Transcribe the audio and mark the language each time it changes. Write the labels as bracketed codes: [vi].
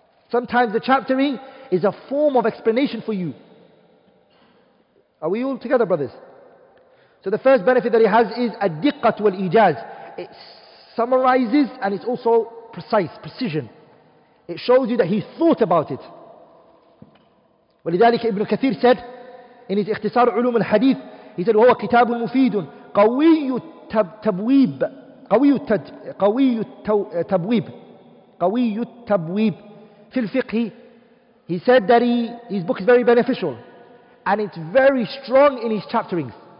[en] Sometimes the chaptering is a form of explanation for you. Are we all together, brothers? So the first benefit that he has is [ar] الدقه والايجاز. [en] It summarizes and it's also precise, precision. It shows you that he thought about it. [ar] ولذلك ابن كثير [en] said in his [ar] اختصار علوم الحديث, [en] he said [ar] وهو كتاب مفيد قوي التبويب قوي التبويب في الفقه. [en] He said that his book is very beneficial and it's very strong in his chapterings.